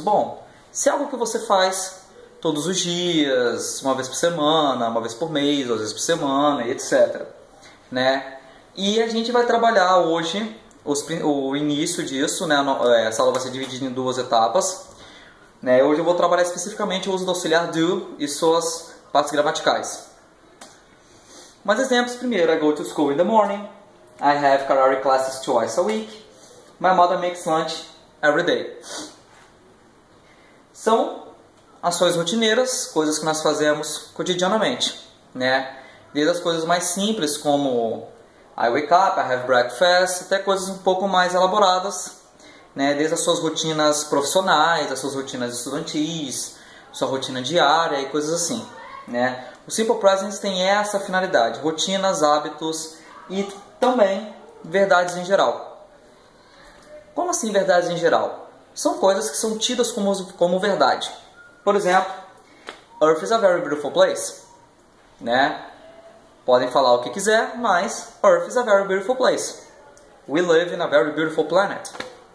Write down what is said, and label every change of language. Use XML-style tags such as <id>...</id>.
<pt>Bom, se é algo que você faz todos os dias, uma vez por semana, uma vez por mês, duas vezes por semana, etc. Né? E a gente vai trabalhar hoje o início disso, né? Essa aula vai ser dividida em duas etapas. Né? Hoje eu vou trabalhar especificamente o uso do auxiliar do e suas partes gramaticais. Mais exemplos, primeiro,</pt> <en>I go to school in the morning, I have karate classes twice a week, my mother makes lunch every day.</en> <pt>São ações rotineiras, coisas que nós fazemos cotidianamente, né? Desde as coisas mais simples, como</pt> <en>I wake up, I have breakfast,</en> <pt>até coisas um pouco mais elaboradas, né? Desde as suas rotinas profissionais, as suas rotinas estudantis, sua rotina diária e coisas assim, né? O Simple Present tem essa finalidade: rotinas, hábitos e também verdades em geral. Como assim verdades em geral? São coisas que são tidas como verdade. Por exemplo,</pt> <en>Earth is a very beautiful place. Né?</en> <pt>Podem falar o que quiser, mas</pt> <en>Earth is a very beautiful place. We live in a very beautiful planet.</en>